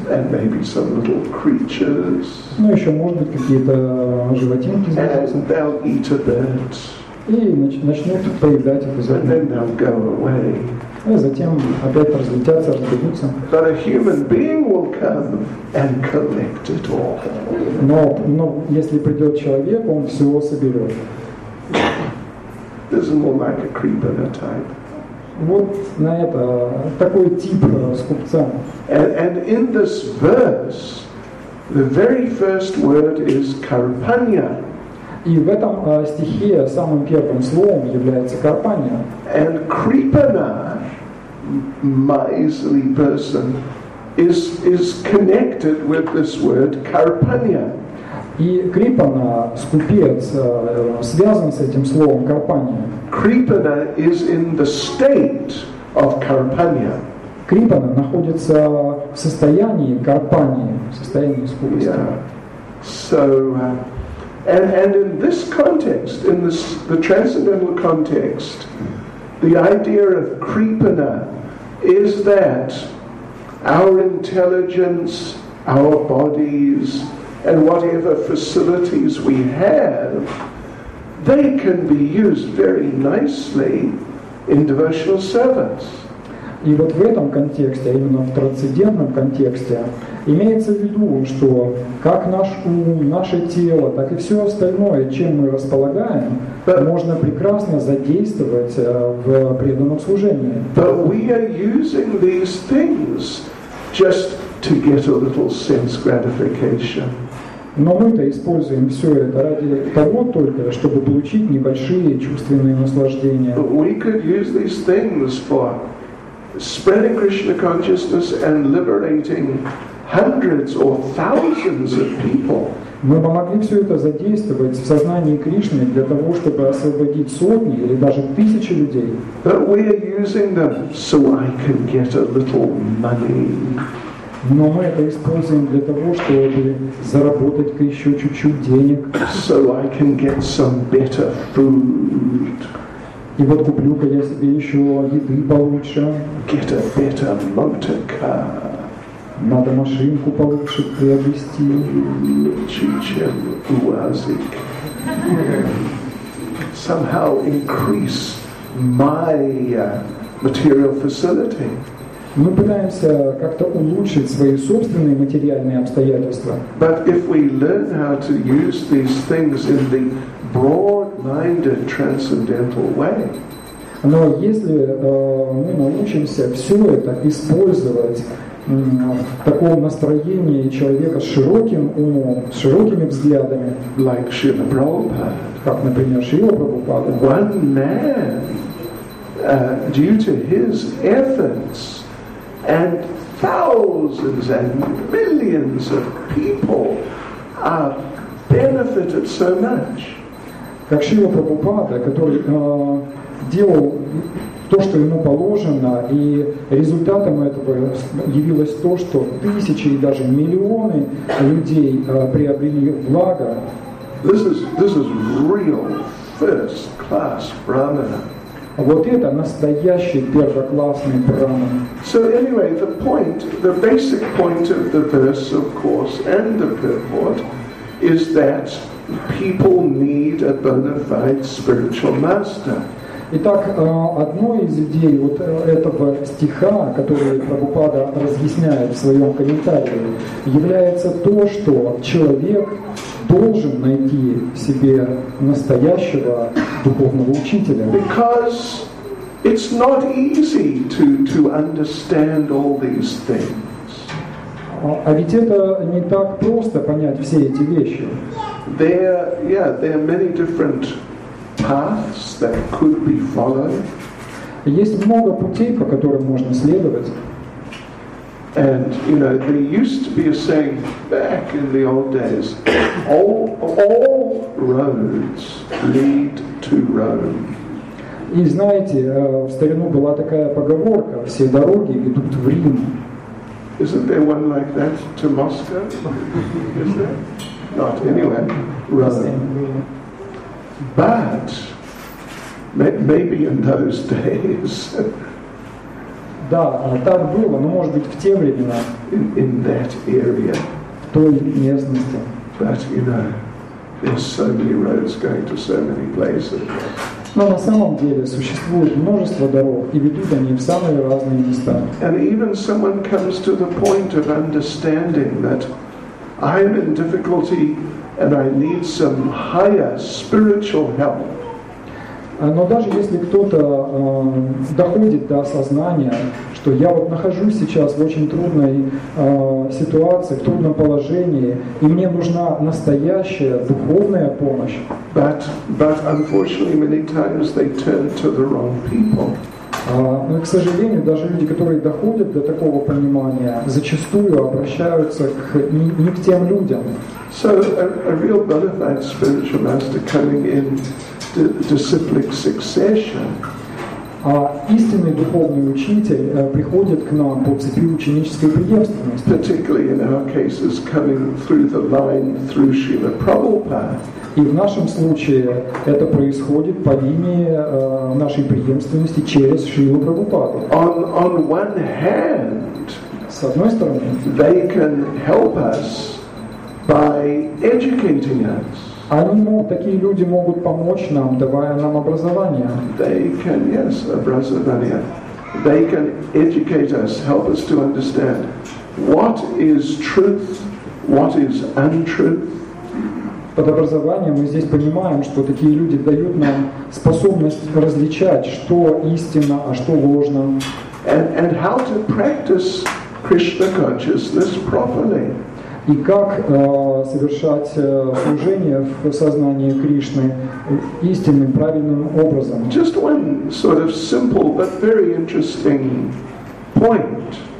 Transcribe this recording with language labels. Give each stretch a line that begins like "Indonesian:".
English: And maybe some little creatures.
Russian: Ну еще может быть какие-то животинки.
English: And they'll eat a bit.
Russian: И начнут поедать эту зерно.
English: And then they'll go away.
Russian: И затем опять разлетятся.
English: But a human being will come and collect it all.
Russian: Но если придет человек, он все соберет.
English: This is more like a creeper type.
Russian: Вот на это такой тип скупца.
English: And in this verse, the very first word is karpanya.
Russian: И в этом стихе самым первым словом является карпанья.
English: And kripana, miserly person, is connected with this word karpanya.
Russian: И Крипана, скупец, связан с этим словом карпанья.
English: Крипана is in the state of карпанья.
Russian: Крипана находится в состоянии карпанья, в состоянии скупости.
English: Yeah. So, and in this context, in this the transcendental context, the idea of kripana is that our intelligence, our bodies, and whatever facilities we have, they can be used very nicely in devotional service.
Russian: И вот в этом контексте, именно в трансцендентном контексте, имеется в виду, что как наш ум, наше тело, так и все остальное, чем мы располагаем, можно прекрасно задействовать в преданном служении.
English: But we are using these things just to get a little sense gratification.
Russian: Но мы-то используем все это ради того только, чтобы получить небольшие чувственные наслаждения.
English: But we could use these things for spreading Krishna consciousness and liberating hundreds or thousands of people.
Russian: Мы бы могли все это задействовать в сознании Кришны для того, чтобы освободить сотни или даже тысячи людей.
English: But we are using them so I can get a little money.
Russian: Но мы это используем для того, чтобы заработать еще чуть-чуть денег.
English: So I can get some better food.
Russian: И вот куплю-ка я себе еще еды получше.
English: Get a better motor car.
Russian: Надо машинку получше приобрести. Чичем УАЗик.
English: Somehow increase my material facility.
Russian: Мы пытаемся как-то улучшить свои собственные материальные обстоятельства.
English: But if we learn how to use these things in the broad-minded transcendental way.
Russian: Но если мы научимся все это использовать в таком настроении человека с широким умом, с широкими взглядами,
English: like Шрила Прабхупада,
Russian: как, например, Шрила Прабхупада,
English: one man, due to his efforts, and thousands and millions of people are benefited so much.
Russian: Как Шрила Прабхупада, который делал то, что ему положено, и результатом этого явилось то, что тысячи и даже миллионы людей приобрели благо.
English: This is real first class brahmana.
Russian: Вот это настоящий первоклассный брахман.
English: So anyway, the point, the basic point of the verse, of course, and the purport, is that people need a bona fide spiritual master.
Russian: Итак, одной из идей вот этого стиха, который Прабхупада разъясняет в своем комментарии, является то, что человек должен найти себе настоящего духовного учителя.
English: Because it's not easy to understand all these things.
Russian: А ведь это не так просто понять все эти вещи.
English: There are many different paths that could be followed.
Russian: Есть много путей, по которым можно следовать.
English: And you know, there used to be a saying back in the old days: all roads lead to Rome.
Russian: И знаете, в старину была такая поговорка: все дороги ведут в Рим.
English: Isn't there one like that to Moscow? Is there? Not anyway. Rome. But maybe in those days.
Russian: Да, так было, но может быть в те времена.
English: In that area.
Russian: В той местности.
English: But you know, there's so many roads going to so many places.
Russian: Но на самом деле существует множество дорог, и ведут они в самые разные места.
English: And even someone comes to the point of understanding that I'm in difficulty. And I need some higher spiritual help.
Russian: Но даже если кто-то доходит до осознания, что я вот нахожусь сейчас в очень трудной ситуации, в трудном положении, и мне нужна настоящая духовная помощь.
English: But unfortunately, many times they turn to the wrong people.
Russian: Но, к сожалению, даже люди, которые доходят до такого понимания, зачастую обращаются к не к тем людям.
English: So a real bona fide spiritual master coming in disciplic succession.
Russian: А истинный духовный учитель приходит к нам по цепи ученической преемственности.
English: Particularly in our cases, coming through the line through Srila Prabhupada.
Russian: И в нашем случае это происходит по линии нашей преемственности через Шрилу Прабхупаду.
English: On one hand,
Russian: с одной стороны,
English: they can help us by educating us.
Russian: Они, такие люди могут помочь нам, давая нам образование.
English: They can, yes, образование. They can educate us, help us to understand what is truth, what is untruth.
Russian: Под образованием мы здесь понимаем, что такие люди дают нам способность различать, что истинно, а что ложно.
English: And how to practice Krishna consciousness properly.
Russian: И как совершать служение в сознании Кришны истинным, правильным образом.
English: Just one sort of simple but very interesting point.